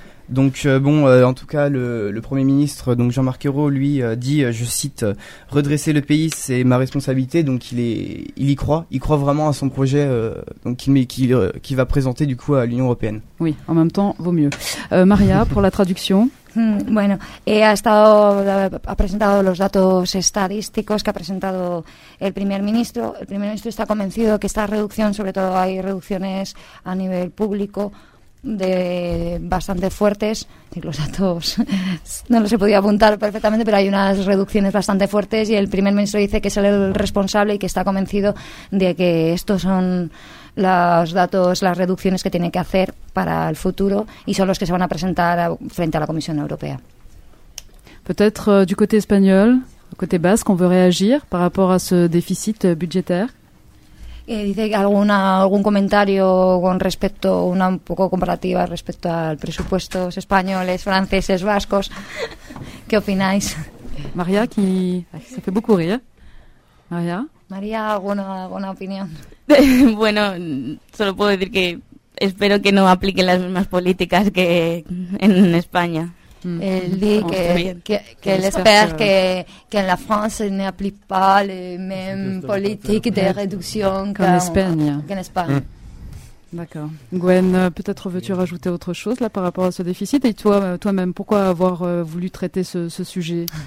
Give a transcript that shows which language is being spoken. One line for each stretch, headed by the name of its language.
French: Donc en tout cas le Premier ministre, donc Jean-Marc Ayrault, lui dit, je cite, redresser le pays c'est ma responsabilité. Donc il y croit vraiment à son projet qu'il va présenter du coup à l'Union européenne. Oui, en même temps vaut mieux. Maria, pour la traduction.
Spanish: Bueno, ha presentado los datos estadísticos que ha presentado el primer ministro. El primer ministro está convencido que esta reducción, sobre todo hay reducciones a nivel público de bastante fuertes, y los datos no los he podido apuntar perfectamente, pero hay unas reducciones bastante fuertes y el primer ministro dice que es el responsable y que está convencido de que estos son los datos, las reducciones que tiene que hacer para el futuro y son los que se van a presentar frente a la Comisión Europea.
French: Peut-être du côté espagnol, côté basque, on veut réagir par rapport à ce déficit budgétaire.
Spanish: Dice algún comentario con respecto, una un poco comparativa respecto a presupuestos españoles, franceses, vascos. ¿Qué opináis? María, que se hace mucho rir. María. María, ¿alguna opinión? Bueno, solo puedo decir que espero que no apliquen las mismas políticas que en España.
French: Qu'elle espère que la France n'applique pas les mêmes politiques de réduction qu'en Espagne. D'accord. Gwen, peut-être veux-tu rajouter autre chose là, par rapport à ce déficit? Et toi-même, pourquoi avoir voulu traiter ce sujet?